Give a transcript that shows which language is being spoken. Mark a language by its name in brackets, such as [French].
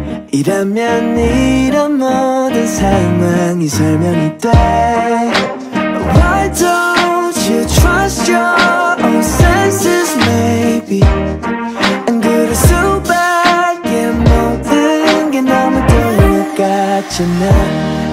[Korean] 이러면 이런 모든 상황이 설명이 돼. [English] Why don't you trust your own senses, maybe? [Korean] And 그럴 수밖에 모든 게 너무 똑같잖아.